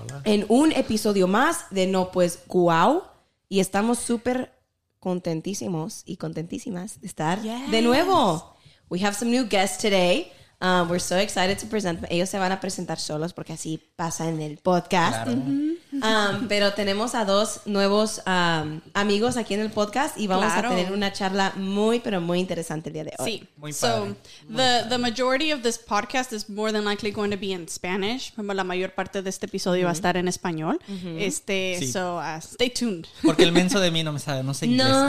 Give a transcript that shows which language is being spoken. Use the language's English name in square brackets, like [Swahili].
[Spanish] En un episodio más de No Pues Guau. Y estamos súper contentísimos y contentísimas de estar de nuevo. [English] We have some new guests today. We're so excited to present. [Spanish] Ellos se van a presentar solos porque así pasa en el podcast. Pero tenemos a dos nuevos amigos aquí en el podcast y vamos a tener una charla muy, pero muy interesante el día de hoy. [English] Sí, the majority of this podcast is more than likely going to be in Spanish. [Spanish] Como la mayor parte de este episodio va a estar en español. [English] Mm-hmm. Stay tuned. [Spanish] Porque el menso de mí no me sabe, no sé inglés.